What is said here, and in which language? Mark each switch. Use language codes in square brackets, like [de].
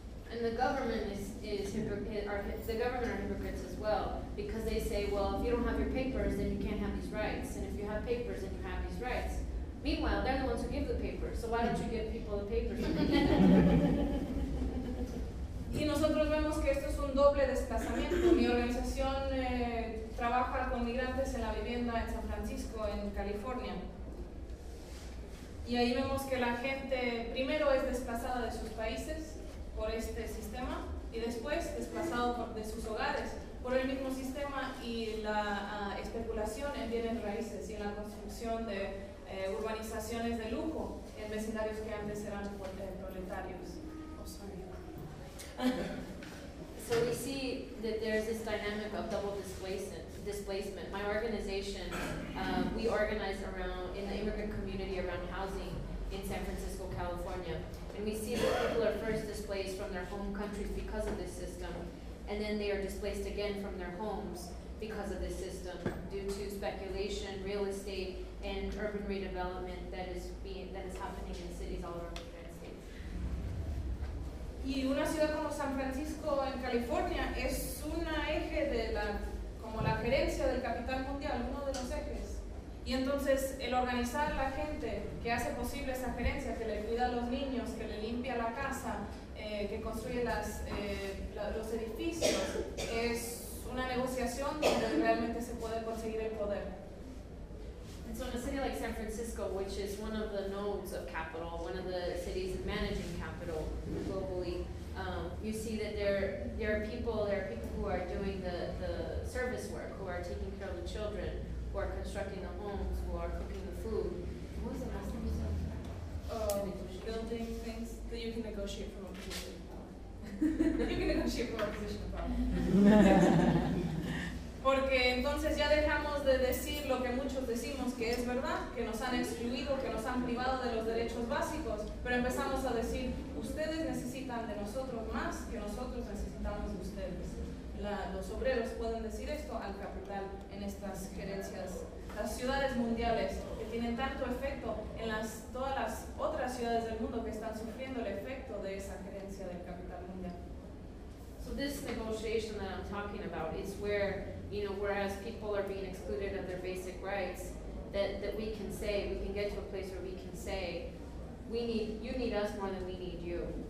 [en] And the government are hypocrites as well, because they say, well, if you don't have your papers, then you can't have these rights, and if you have papers, then you have these rights. Meanwhile, they're the ones who give the papers, so why don't you give people the papers? [es] Y nosotros vemos que esto es un doble desplazamiento. Mi organización trabaja con migrantes en la vivienda en San Francisco, en California. Y ahí vemos que la gente primero es desplazada de sus países por este sistema y después desplazado de sus hogares por el mismo sistema y la especulación en bienes raíces y en la construcción de urbanizaciones de lujo en vecindarios que antes eran proletarios. [en] Oh, sorry. So So we see that there's this dynamic of double displacement. My organization, we organize around, in the immigrant community, around housing in San Francisco, California. And we see that people are first displaced from their home countries because of this system, and then they are displaced again from their homes because of this system due to speculation, real estate, and urban redevelopment that is happening in cities all around the United States. [es] Y una ciudad como San Francisco en California es un eje de la, como la gerencia del capital mundial, uno de los ejes. Y entonces el organizar la gente que hace posible esa gerencia, que le cuida a los niños, que le limpia la casa, que construye las, los edificios, es una negociación donde realmente se puede conseguir el poder. [en] And so in a city like San Francisco, which is one of the nodes of capital, one of the cities managing capital globally, you see that there are people who are doing the service work, who are taking care of the children, who are constructing the homes, who are cooking the food. What was the last thing you said? Building things that you can negotiate from a position of power. You can negotiate from a position of power. [es] Porque entonces ya dejamos de decir lo que muchos decimos que es verdad, que nos han excluido, que nos han privado de los derechos básicos, pero empezamos a decir, ustedes necesitan de nosotros más que nosotros necesitamos de ustedes. Los obreros pueden decir esto al capital en estas gerencias. Las ciudades mundiales que tienen tanto efecto en todas las otras ciudades del mundo que están sufriendo el efecto de esa gerencia del capital mundial. [en] So this negotiation that I'm talking about is where, you know, whereas people are being excluded of their basic rights, that we can say, we can get to a place where we can say, you need us more than we need you.